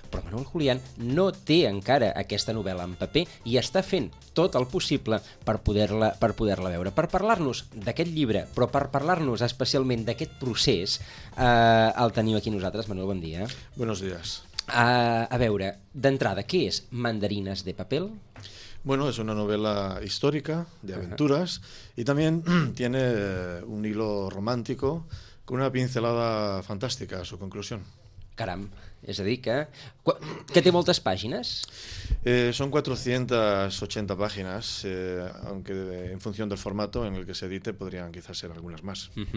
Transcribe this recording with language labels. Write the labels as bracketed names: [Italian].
[Catalan] Però Manuel Julián no té encara aquesta novel·la en paper i està fent tot el possible per poder-la veure. Per parlar-nos d'aquest llibre, però per parlar-nos especialment d'aquest procés, el tenim aquí nosaltres. Manuel, bon dia. [Spanish] Buenos días. [Catalan] A veure, d'entrada, què és Mandarines de Papel? [Spanish] Bueno, es una novela histórica de aventuras y también tiene un hilo romántico con una pincelada fantástica a su conclusión. [Catalan] Caram, és a dir que té moltes pàgines? [Spanish] Son 480 pàgines, aunque en función del formato en el que se edite podrían quizás ser algunas más.